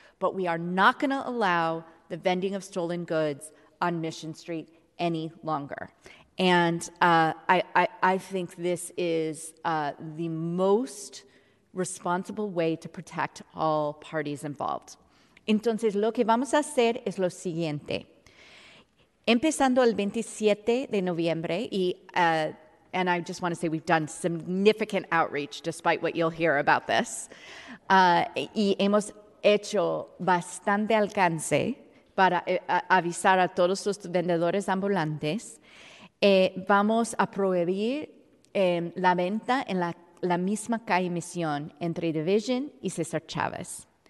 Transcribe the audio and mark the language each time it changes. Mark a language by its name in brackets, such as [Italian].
[English] But we are not going to allow the vending of stolen goods on Mission Street any longer. And I think this is the most responsible way to protect all parties involved. [Spanish] Entonces, lo que vamos a hacer es lo siguiente. Empezando el 27 de noviembre, [English] and I just want to say we've done significant outreach, despite what you'll hear about this. [Spanish] Y hemos hecho bastante alcance para avisar a todos los vendedores ambulantes. Vamos a prohibir la venta en la misma calle Misión entre Division y César Chávez.